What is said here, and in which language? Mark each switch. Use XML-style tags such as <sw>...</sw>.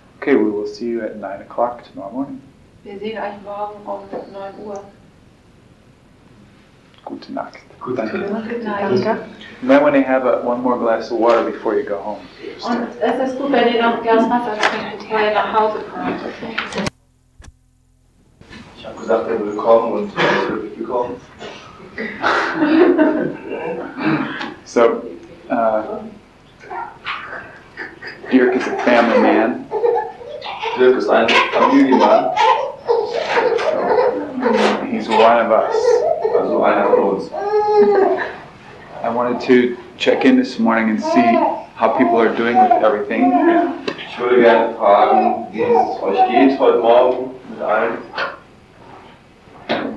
<en>Okay, we will see you at 9 o'clock tomorrow morning.</en> <de>Wir sehen euch morgen um 9 Uhr. Gute Nacht. Gute Nacht. Gute Nacht.</de> <en>You might want to have one more glass of water before you go home.</en> <de>Und es ist gut, wenn ihr noch Glas Wasser trinkt, bevor ihr nach Hause kommt. Ich habe gesagt, er würde kommen und er ist wirklich gekommen.</de> <en>So, Dirk is a family man.</en> <de>Dirk is ein Familienmann.</de> <en>He's one of us.</en> <de>Also einer von uns.</de> <en>I wanted to check in this morning and see how people are doing with everything.</en> <de>Ich würde gerne fragen, wie es euch geht heute Morgen mit allen.</de>